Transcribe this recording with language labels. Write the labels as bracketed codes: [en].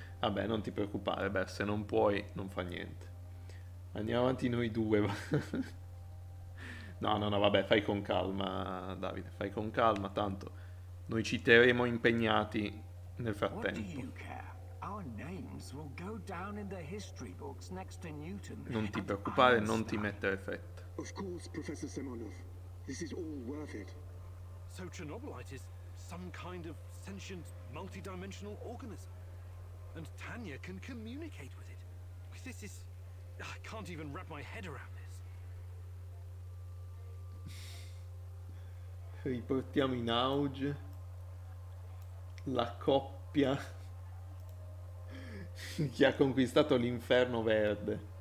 [it] Vabbè, non ti preoccupare, beh, se non puoi, non fa niente. Andiamo avanti noi due. No, no, no, vabbè, fai con calma, Davide, fai con calma, tanto noi ci terremo impegnati nel frattempo. [en] Our names will go down in the history books next to Newton. [it] Non ti preoccupare, non ti mettere fretta. [en] Of course, Professor Semenov. This is all worth it. So Chernobylite is some kind of sentient multidimensional organism. And Tanya can communicate with it. This is... I can't even wrap my head around this. [it] Riportiamo in auge la coppia che ha conquistato l'inferno verde.